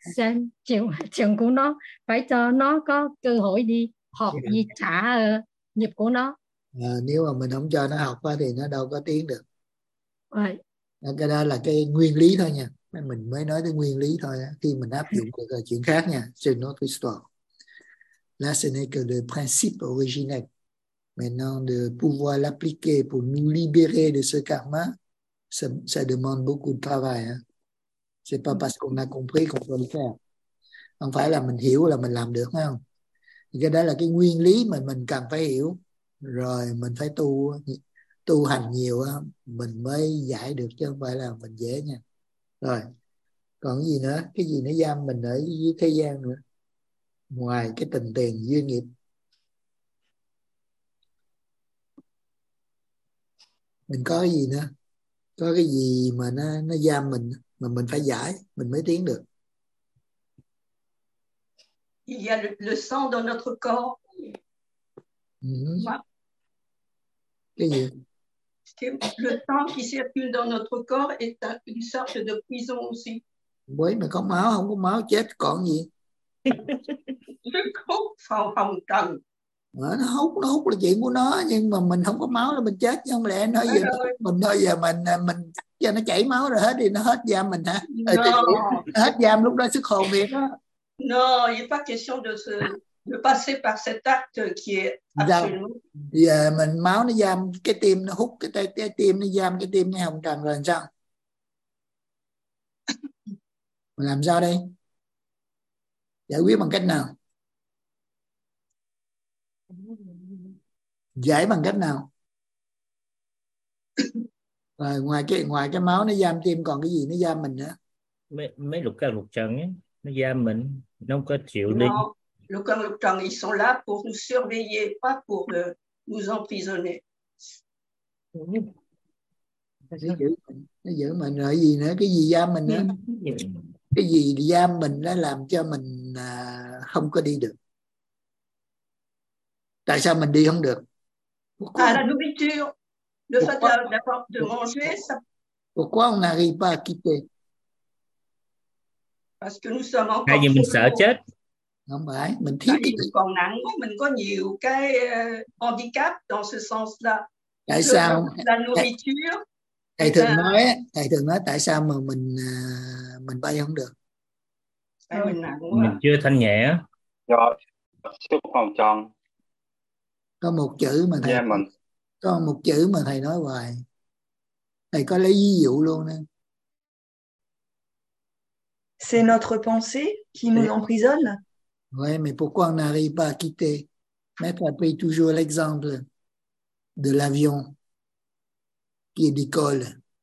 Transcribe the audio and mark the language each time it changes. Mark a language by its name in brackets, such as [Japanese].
[Vietnamese] Xen chuyện của nó, phải cho nó có cơ hội đi học, đi trả nghiệp của nó. Nếu mà mình không cho nó học thì nó đâu có tiến được. Vậy. Cái đó là cái nguyên lý thôi nha. Mình mới nói tới nguyên lý thôi đó. Khi mình áp dụng được chuyện khác nha. [French] C'est notre histoire. [Vietnamese] Là [French] ce n'est que le principe originel. Maintenant, de pouvoir l'appliquer pour nous libérer de ce karma, ça, ça demande beaucoup de travail. Hein. Ce n'est pas parce qu'on a compris qu'on peut le faire. [Vietnamese] Không phải là mình hiểu là mình làm được, phải không? Thì cái đó là cái nguyên lý mà mình cần phải hiểu. Rồi mình phải tu tu hành nhiều, mình mới giải được chứ không phải là mình dễ nha. Rồi, còn cái gì nữa? Cái gì nó giam mình ở dưới thế gian nữa? Ngoài cái tình tiền duyên nghiệp. Mình có cái gì nữa? Có cái gì mà nó giam mình mà mình phải giải, mình mới tiến được. [French] Il y a le sang dans notre corps. Mm-hmm. Le sang qui circule dans notre corps est une sorte de prison aussi. Oui, mais [Vietnamese] có máu, không có máu, chết, còn gì? [French] Le corps sans [Vietnamese] hồng cần. Nó hút là chuyện của nó, nhưng mà mình không có máu là mình chết, chứ không lẽ nó giờ mình thôi giờ mình cho nó chảy máu rồi hết đi, nó hết giam mình hả? [English] No. [Vietnamese] Hết giam lúc đó sức hồn việc đó. [French] Non, il n'est pas question de passer par cet acte qui est absolu. [Vietnamese] Giờ mình máu nó giam cái tim, nó hút cái cái tim, nó giam cái tim ngay hồng trần rồi làm sao? Mình làm sao đây? Giải quyết bằng cách nào? Giải bằng cách nào? Rồi, ngoài cái máu nó giam tim, còn cái gì nó giam mình nữa? Mấy lục căn lục trần ấy, nó giam mình, nó không có chịu đi. Lục căn lục trần, [French] ils sont là pour nous surveiller, pas pour nous emprisonner. [Vietnamese] Nó giữ mình rồi, gì nữa? Cái gì giam mình nữa? Cái gì giam mình nó làm cho mình không có đi được? Tại sao mình đi không được? [French] Pourquoi? À, la nourriture. Le fait de manger, ça... Pourquoi on n'arrive pas à quitter? Parce que nous sommes encore... [Vietnamese] Tại vì mình sợ chết. Không phải, mình thiếu cái gì. Còn nặng quá, mình có nhiều cái handicap [French] dans ce sens-là. [Vietnamese] Tại sao? [French] La nourriture. [Vietnamese] Thầy thường nói tại sao mà mình bay không được? Tại mình nặng quá. Mình chưa thanh nhẹ. Rồi, sức phòng tròn. Có một chữ mà thầy nói hoài. Thầy có lấy ví dụ luôn nè. [French] C'est notre pensée qui nous emprisonne. Oui, mais pourquoi on n'arrive pas à quitter? Maître a pris toujours l'exemple de l'avion qui décolle.